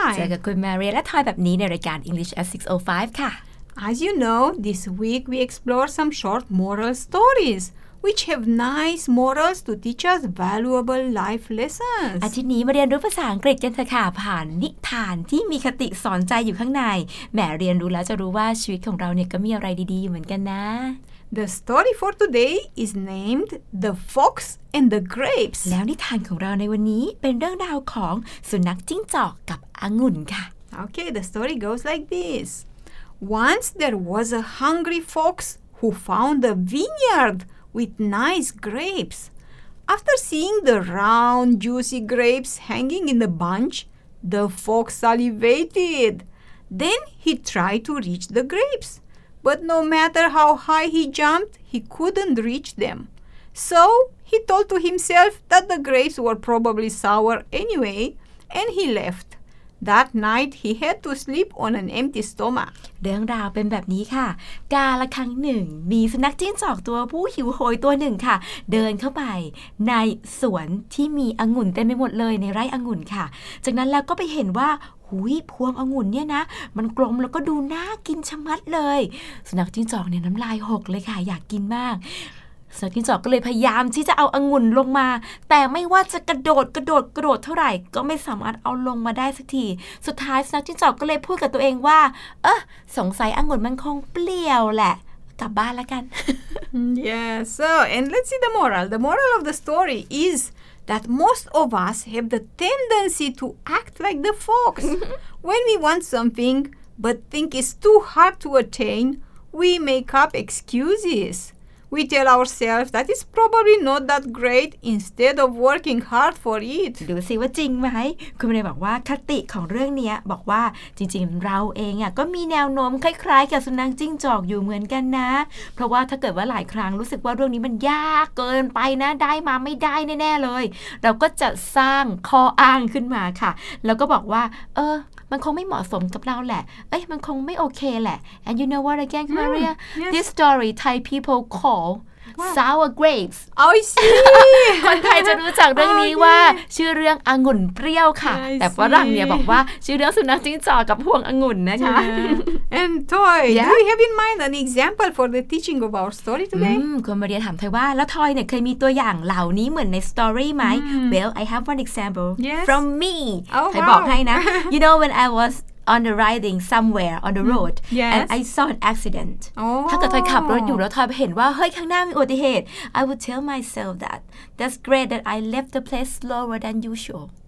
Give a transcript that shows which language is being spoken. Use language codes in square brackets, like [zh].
[th] เจอกับคุณ Maria และ Toy แบบนี้ในรายการ English at 6:05ค่ะ [en] As you know this week we explore some short moral stories which have nice morals to teach us valuable life lessons [th] อาทิตย์นี้มาเรียนรู้ภาษาอังกฤษกันค่ะผ่านนิทานที่มีคติสอนใจอยู่ข้างในแหมเรียนรู้แล้วจะรู้ว่าชีวิตของเราเนี่ยก็มีอะไรดีๆอยู่เหมือนกันนะ [en] The story for today is named The Fox and the Grapes. [th] แล้วนิทานของเราในวันนี้เป็นเรื่องราวของสุนัขจิ้งจอกกับองุ่นค่ะ [en] Okay, the story goes like this. Once there was a hungry fox who found a vineyard with nice grapes. After seeing the round, juicy grapes hanging in a bunch, the fox salivated. Then he tried to reach the grapes. But no matter how high he jumped, he couldn't reach them. So he told to himself that the grapes were probably sour anyway, and he left. That night, he had to sleep on an empty stomach. [th] เรื่องราวเป็นแบบนี้ค่ะกาลครั้งหนึ่งมีสุนัขจิ้งจอกตัวผู้หิวโหยตัวหนึ่งค่ะเดินเข้าไปในสวนที่มีองุ่นเต็มไปหมดเลยในไร่องุ่นค่ะจากนั้นแล้วก็ไปเห็นว่าหูยพวงองุ่นเนี่ยนะมันกลมแล้วก็ดูน่ากินชะมัดเลยสุนัขจิ้งจอกเนี่ยน้ำลายหกเลยค่ะอยากกินมาก สุนัขจิ้งจอกก็เลยพยายามที่จะเอาองุ่นลงมาแต่ไม่ว่าจะกระโดดเท่าไหร่ก็ไม่สามารถเอาลงมาได้สักทีสุดท้ายสุนัขจิ้งจอกก็เลยพูดกับตัวเองว่าเออสงสัยองุ่นมันคงเปรี้ยวแหละกลับบ้านละกัน [en] Yeah so and let's see the moral of the story isThat most of us have the tendency to act like the fox. When we want something but think it's too hard to attain, we make up excuses. We tell ourselves that it's probably not that great instead of working hard for it. [th] ดูสิว่าจริงไหมคุณไม่ได้บอกว่าคติของเรื่องนี้บอกว่าจริงๆเราเองอ่ะก็มีแนวโน้มคล้ายๆกับสุนัขจิ้งจอกอยู่เหมือนกันนะเพราะว่าถ้าเกิดว่าหลายครั้งรู้สึกว่าเรื่องนี้มันยากเกินไปนะได้มาไม่ได้แน่ๆเลยเราก็จะสร้างข้ออ้างขึ้นมาค่ะแล้วก็บอกว่าเออมันคงไม่เหมาะสมกับเราแหละเอ้ยมันคงไม่โอเคแหละ [en] and you know what again Maria this story Thai people call sour grapes I see [th] คนไทยจะรู้จักเรื่องนี้ว่าชื่อเรื่ององุ่นเปรี้ยวค่ะแต่ฝรั่งเนี่ยบอกว่าชื่อเรื่องสุนัขจิ้งจอกกับพวงองุ่นนะคะ [en] and Toy do you have in mind an example for the teaching of our story today [th] คุณ Maria ถามไทยว่าแล้ว Toy เนี่ยเคยมีตัวอย่างเหล่านี้เหมือนใน story ไหม [en] well I have one example from me [th] ไทยบอกให้นะ [en] you know when I wasOn the riding somewhere on the road, and I saw an accident. [th] ถ้าเกิดทอยขับรถอยู่แล้วทอยเห็นว่าเฮ้ยข้างหน้ามีอุบัติเหตุ [en] I would tell myself that that's great that I left the place slower than usual.